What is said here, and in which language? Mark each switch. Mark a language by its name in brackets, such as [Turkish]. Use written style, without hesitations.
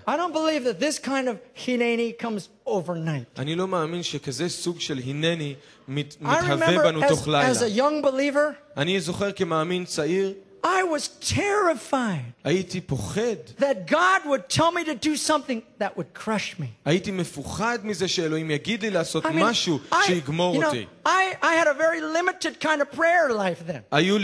[English] I don't believe that this kind of hineni comes overnight. [Hebrew] אני לא מאמין שכזה סוג של הינני מתהווה בנו תוך לילה. [English] As a young believer, [Hebrew] אני זוכר כמאמין צעיר, [English] I was terrified. [Hebrew] הייתי פוחד. [English] That God would tell me to do something that would crush me. [Hebrew] הייתי מפוחד מזה שאלוהים יגיד לי לעשות משהו שיגמור אותי. [English] I had a very limited kind of prayer life then.